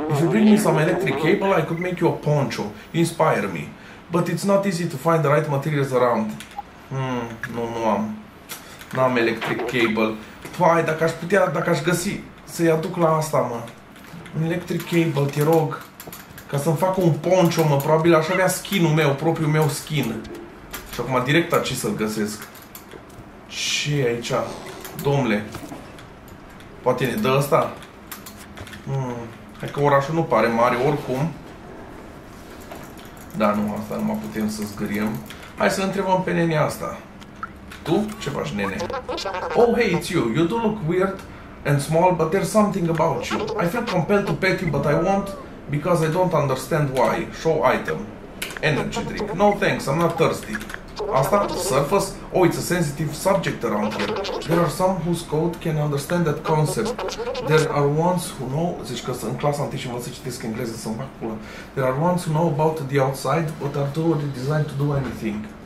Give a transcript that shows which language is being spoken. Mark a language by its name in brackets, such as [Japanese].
[English] If you bring me some electric cable, I could make you a poncho. You inspire me. But it's not easy to find the right materials around. [Romanian] Nu am. N-am electric cable. Vai, dacă aș putea, dacă aș găsi, să-i aduc la asta, mă. Un electric cable, te rog. Ca să-mi fac un poncho, mă, probabil aș avea skin-ul meu, propriul meu skin. Și acum direct aici să-l găsesc. Ce aici? Domnule. Poate ne dă ăsta? Hai că orașul nu pare mare oricum. Da, nu, asta nu mai putem să zgâriem. Hai să întrebăm pe nenea asta. Tu? Ce faci, nene? [English] Oh, hey, it's you. You do look weird and small, but there's something about you. I feel compelled to pet you, but I won't because I don't understand why. Show item. Energy drink. No, thanks. I'm not thirsty. Asta? Surface? Oh, it's a sensitive subject around here. There are some whose code can understand that concept. There are ones who know... [Romanian] Zici că sunt în clasa întâi și mă să citesc engleză, să-mi fac pula. [English] There are ones who know about the outside, but are too already designed to do anything.